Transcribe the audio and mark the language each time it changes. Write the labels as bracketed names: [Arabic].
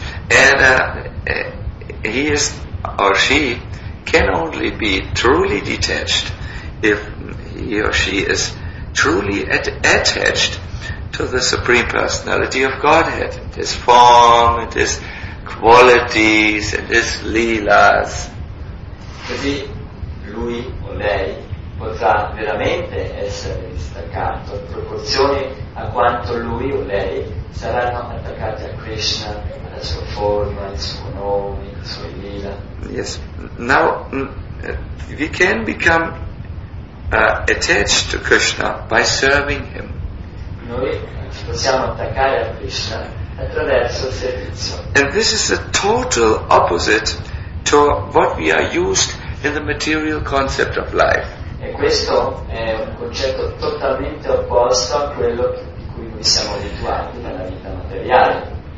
[English] And he is or she can only be truly detached if he or she is truly attached to the Supreme Personality of Godhead, and his form, and his qualities, and his leelas. [Italian] Così lui o lei potrà veramente essere distaccato in proporzione a quanto lui o lei saranno attaccati a Krishna, alla sua forma, al suo nome, alla sua lila. [English] Yes. Now we can become attached to Krishna by serving him. [Italian] Noi ci possiamo attaccare a Krishna attraverso il servizio. [English] And this is the total opposite to what we are used in the material concept of life. [Italian] E questo è un concetto totalmente opposto a quello che siamo abituati nella vita materiale.